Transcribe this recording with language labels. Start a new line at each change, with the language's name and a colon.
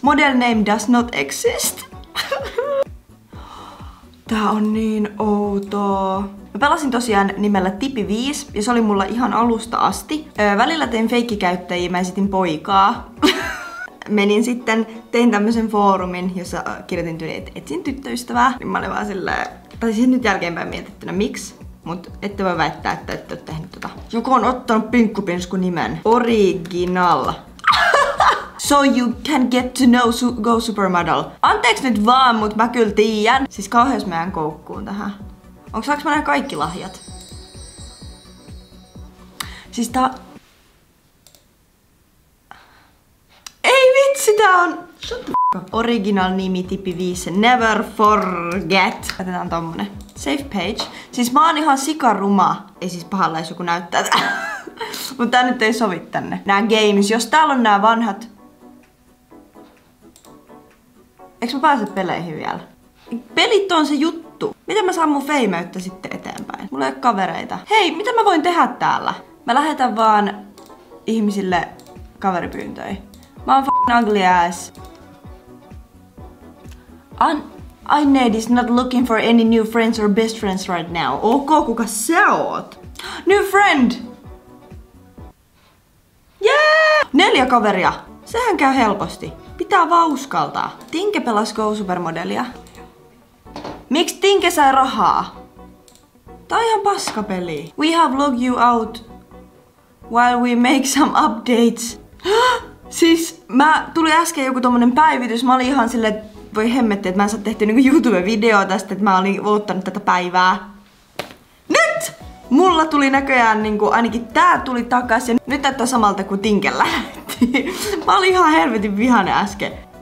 English: Model name does not exist.
Finnish: Tää on niin outoa. Mä pelasin tosiaan nimellä Tipi 5 ja se oli mulla ihan alusta asti. Välillä tein feikkikäyttäjiä, mä esitin poikaa. Menin sitten, tein tämmösen foorumin, jossa kirjoitin tyyliin, että etsin tyttöystävää. Niin mä olin vaan silleen, tai siis nyt jälkeenpäin mietittynä miksi. Mut ette voi väittää, että ette ole tehnyt tota. Joku on ottanut pinkkupinsku nimen. Original.
English: So you can get to know Go Supermodel.
Finnish: Anteeks nyt vaan, mut mä kyllä tiiän. Siis kauheus mä jään koukkuun tähän. Onks saaks mä nää kaikki lahjat? Siis tää... Ei vitsi, tää on...
English: Shut the f**k.
Finnish: Original nimi Tipi 5.
English: Never forget.
Finnish: Otetaan tommonen.
English: Safe page.
Finnish: Siis mä oon ihan sikaruma. Ei siis pahalla jos joku näyttää tää. Mut tää nyt ei sovi tänne. Nää games, jos täällä on nää vanhat... Eiks mä pääse peleihin vielä? Pelit on se juttu. Miten mä saan mun feimeyttä sitten eteenpäin? Mulla ei ole kavereita. Hei, mitä mä voin tehdä täällä? Mä lähetän vaan ihmisille kaveripyyntöjä. Mä oon
English: f***ing ugly ass. I need is not looking for any new friends or best friends right now.
Finnish: Ok, kuka sä oot?
English: New friend!
Finnish: Yeah! 4 kaveria. Sehän käy helposti. Pitää vaan uskaltaa. Tinke pelas Go Supermodelia. Miksi Tinke sai rahaa? Tää on ihan paskapeli.
English: We have logged you out while we make some updates.
Finnish: Siis mä tuli äsken joku tommonen päivitys. Mä olin ihan silleen, voi hemmetti, että mä en saa tehty niinku YouTube-videoa tästä, että mä olin odottanut tätä päivää. Nyt! Mulla tuli näköjään niinku, ainakin tää tuli takaisin. Nyt näyttää samalta kuin Tinke lähti. Mä olin ihan helvetin vihane äsken.